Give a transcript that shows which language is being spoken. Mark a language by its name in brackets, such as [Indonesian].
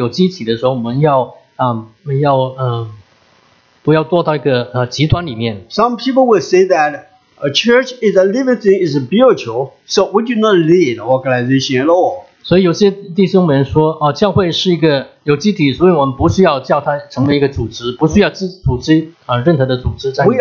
[Chinese] 当我们讲到教会是个组织，也是一个活的有机体的时候，我们要。不要堕到一个极端里面。 [English] Some people will say that a church is a living thing, is a spiritual, so we do not need organization at all. [Chinese] 所以有些弟兄们说，教会是一个有机体， 所以我们不需要叫它成为一个组织，不需要任何的组织在里面。